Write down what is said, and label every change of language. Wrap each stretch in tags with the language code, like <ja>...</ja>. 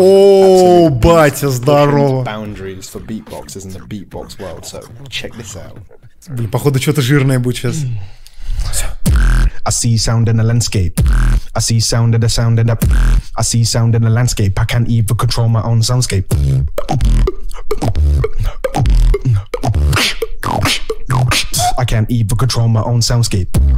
<ru>Oh, батя, здорово.</ru> <en>Boundaries for beatboxers in the beatbox world. So check this out.</en> <ru>Блин, походу что-то жирное будет сейчас.</ru> <en>I see sound in the landscape. I see sound in the sound in the. I see sound in the landscape. I can't even control my own soundscape. I can't even control my own soundscape.</en>